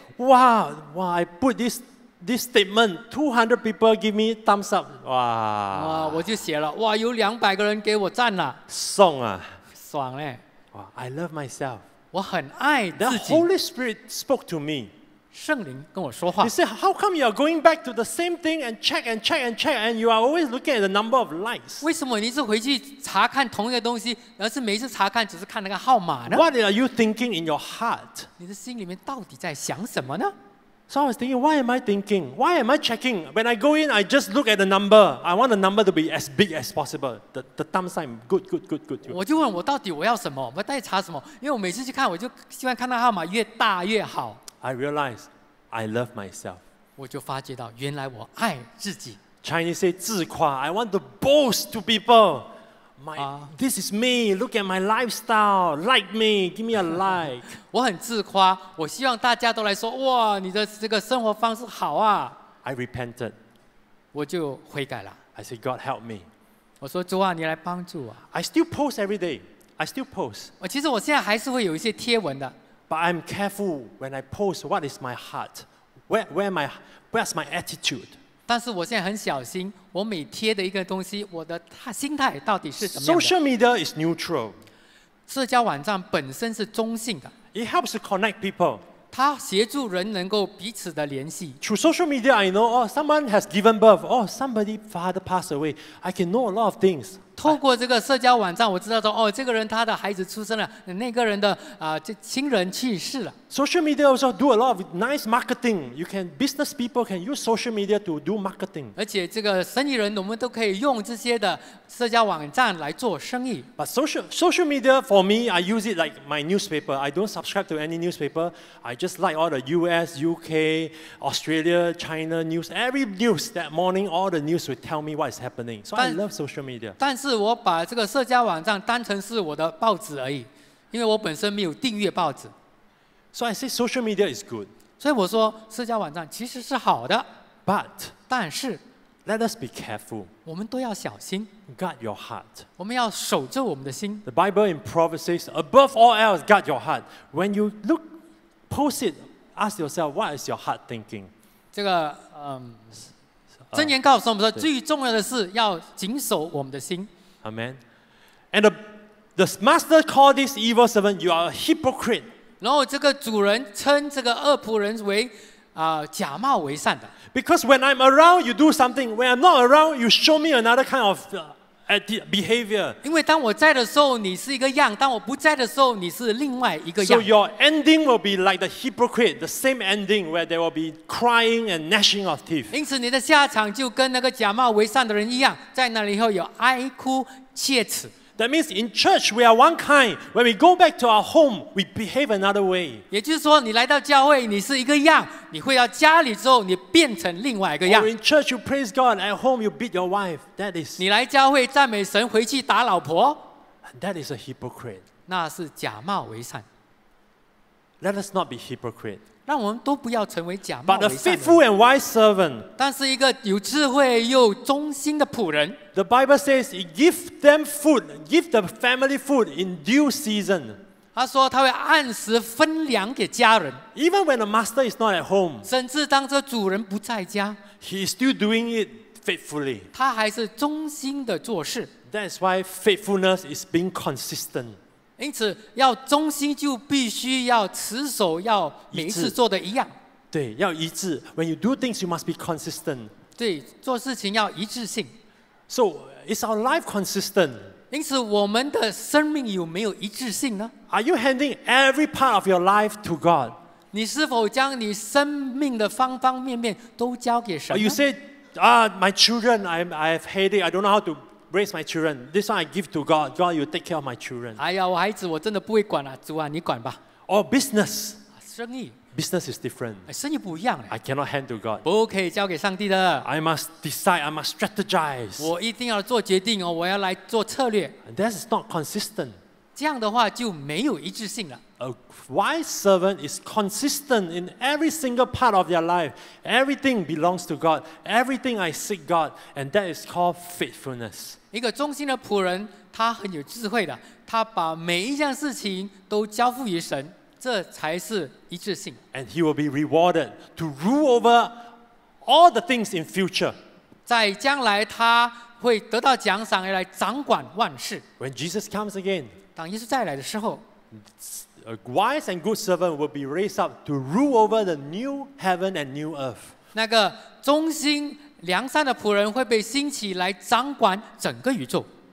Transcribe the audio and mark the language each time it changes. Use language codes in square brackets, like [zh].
[en] 哇哇 ，I put this statement, 200 people give me thumbs up. 哇！ [zh] 哇，我就写了，哇，有200个人给我赞了，爽啊！爽嘞！ [en] 哇 ，I love myself. [zh] 我很爱自己。 [en] The Holy Spirit spoke to me. [zh] 圣灵跟我说话。 [en] He said, "How come you are going back to the same thing and check and check and check, and you are always looking at the number of likes?" [zh] 为什么你一直回去查看同一个东西，而是每次查看只是看那个号码呢 [en] ？What are you thinking in your heart? [zh] 你的心里面到底在想什么呢？ [en] So I was thinking, why am I thinking? Why am I checking? When I go in, I just look at the number. I want the number to be as big as possible. The thumb sign, good, good, good, good. [zh] 我就问我到底我要什么？我在查什么？因为我每次去看，我就希望看到号码越大越好。 [en] I realize, I love myself. [zh] 我就发觉到原来我爱自己。 [en] Chinese say 自夸。I want to boast to people. This is me. Look at my lifestyle. Like me. Give me a like. [zh] 我很自夸，我希望大家都来说，哇，你的这个生活方式好啊。 [en] I repented. [zh] 我就悔改了。 [en] I said, God help me. [zh] 我说主啊，你来帮助我。 [en] I still post every day. I still post. [zh] 我其实我现在还是会有一些贴文的。 [en] But I'm careful when I post. What is my heart? Where's my attitude? [zh] 但是我现在很小心，我每贴的一个东西，我的心态到底是什么样 [en] 的？Social media is neutral. [zh] 社交网站本身是中性的。 [en] It helps to connect people. [zh] 它协助人能够彼此的联系。 [en] Through social media, I know, oh, someone has given birth. Oh, somebody father passed away. I can know a lot of things. [zh] 透过这个社交网站，我知道说，哦，这个人他的孩子出生了，那个人的亲人去世了。 [en] Social media also do a lot of nice marketing. You can business people can use social media to do marketing. [zh] 而且这个生意人，我们都可以用这些的社交网站来做生意。 [en] But social media for me, I use it like my newspaper. I don't subscribe to any newspaper. I just like all the U.S., U.K., Australia, China news. Every news that morning, all the news will tell me what is happening. So I love social media. [zh] 但是我把这个社交网站当成是我的报纸而已，因为我本身没有订阅报纸。 [en] So I say social media is good. [zh] 所以我说社交网站其实是好的。 [en] But [zh] 但是 [en] ，Let us be careful. [zh] 我们都要小心。 [en] Guard your heart. [zh] 我们要守着我们的心。 [en] The Bible in Proverbs says, "Above all else, guard your heart." When you look, post it, ask yourself, "What is your heart thinking?" [zh] 这个箴言告诉我们说，最重要的是要谨守我们的心。 [en] Amen. And the master called this evil servant, "You are a hypocrite." [zh] 然后这个主人称这个恶仆人为假冒为善的。 [en] Because when I'm around, you do something. When I'm not around, you show me another kind of behavior. [zh] 因为当我在的时候，你是一个样；当我不在的时候，你是另外一个样。 [en] So your ending will be like the hypocrite, the same ending where there will be crying and gnashing of teeth. [zh] 因此，你的下场就跟那个假冒为善的人一样，在那里以后有哀哭切齿。 [en] That means in church we are one kind. When we go back to our home, we behave another way. [zh] 也就是说，你来到教会，你是一个样；你回到家里之后，你变成另外一个样。 [en] Or in church you praise God, at home you beat your wife. That is. [zh] 你来教会赞美神，回去打老婆。 [en] That is a hypocrite. [zh] 那是假冒为善。 [en] Let us not be hypocrite. [zh] 让我们都不要成为假冒为善的人。 [en] But a faithful and wise servant. [zh] 但是一个有智慧又忠心的仆人。 [en] The Bible says, "Give them food, give the family food in due season." [zh] 他说他会按时分粮给家人。 [en] Even when the master is not at home, [zh] 甚至当这主人不在家 [en] he is still doing it faithfully. [zh] 他还是忠心的做事。 [en] That's why faithfulness is being consistent. [zh] 因此要忠心就必须要持守，要每一次做的一样。对，要一致。 [en] When you do things, you must be consistent. [zh] 对，做事情要一致性。 [en] So, is our life consistent? [zh] 因此，我们的生命有没有一致性呢？ [en] Are you handing every part of your life to God? [zh] 你是否将你生命的方方面面都交给神呢？ [en] You say, my children, I have headache. I don't know how to raise my children. This one I give to God. God, you take care of my children. [zh] 哎呀，我孩子，我真的不会管了。主啊，你管吧。 [en] Or business. [zh] 生意。 [en] Business is different. [zh] 生意不一样。 [en] I cannot hand to God. [zh] 不可以交给上帝的。 [en] I must decide. I must strategize. [zh] 我一定要做决定哦，我要来做策略。 [en] That is not consistent. [zh] 这样的话就没有一致性了。 [en] A wise servant is consistent in every single part of their life. Everything belongs to God. Everything I seek God, and that is called faithfulness. [zh] 一个忠心的仆人，他很有智慧的，他把每一件事情都交付于神，这才是一致性。 [en] And he will be rewarded to rule over all the things in future. [zh] 在将来，他会得到奖赏，来掌管万事。 [en] When Jesus comes again, [zh] 当耶稣再来的时候。 [en] A wise and good servant will be raised up to rule over the new heaven and new earth. [zh] 那个忠心良善的仆人会被兴起来掌管整个宇宙。